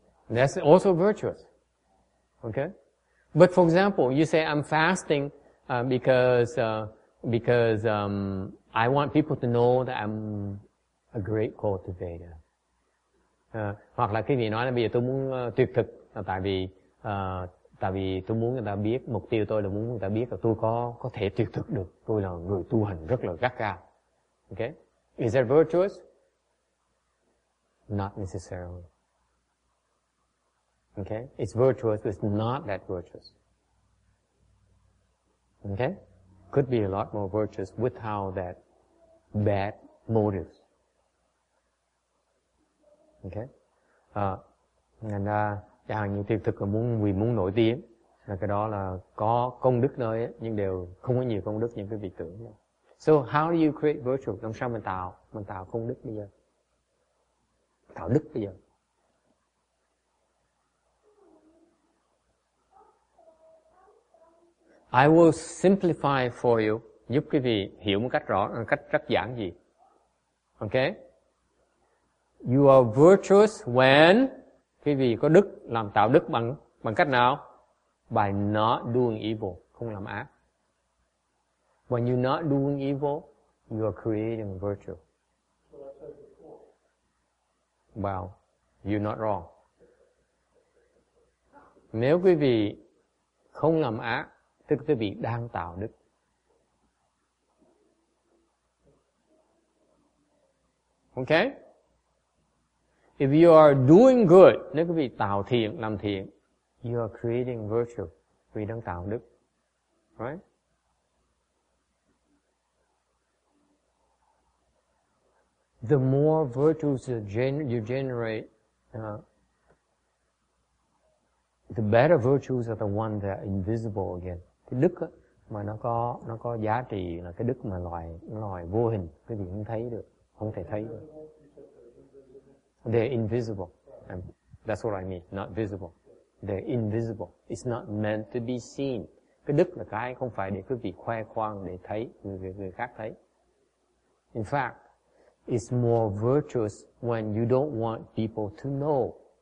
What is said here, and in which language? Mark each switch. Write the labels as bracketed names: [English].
[English] That's also virtuous. Okay? But for example, you say, I'm fasting because I want people to know that I'm a great cultivator. [Vietnamese] Hoặc là quý vị nói là bây giờ tôi muốn tuyệt thực tại vì tôi muốn người ta biết, mục tiêu tôi là muốn người ta biết là tôi có thể tuyệt thực được. Tôi là người tu hành rất là gắt gao. [English] Okay? Is that virtuous? Not necessarily. Okay? It's virtuous, but it's not that virtuous. Okay? Could be a lot more virtuous without that bad motives. Okay? [Vietnamese] Chẳng hạn như tiêu thực là muốn nổi tiếng, là cái đó là có công đức nơi ấy, nhưng đều không có nhiều công đức như cái vị tưởng. Đó. [English] So how do you create virtue? [Vietnamese] Làm sao mình tạo công đức bây giờ? Tạo đức bây giờ? [English] I will simplify for you, [Vietnamese] giúp quý vị hiểu một cách rõ, một cách rất giản dị. Okay? [English] You are virtuous when, [Vietnamese] quý vị có đức, làm tạo đức bằng cách nào? [English] By not doing evil, [Vietnamese] không làm ác. [English] When you're not doing evil, you are creating virtue. Well, you're not wrong. [Vietnamese] Nếu quý vị không làm ác, tức quý vị đang tạo đức. Okay? [English] If you are doing good, [Vietnamese] nếu quý vị tạo thiện, làm thiện, [English] You are creating virtue. [Vietnamese] Vì đang tạo đức. [English] Right? The more virtues you generate, the better virtues are the one that are invisible again. [Vietnamese] Cái đức mà nó có giá trị là cái đức mà loài vô hình, cái gì không thấy được, không thể thấy được. [English] They're invisible. And that's what I mean, not visible. They're invisible. It's not meant to be seen. [Vietnamese] Cái đức là cái không phải để quý vị khoe khoang, để thấy, người khác thấy. [English] In fact, it's more virtuous when you don't want people to know.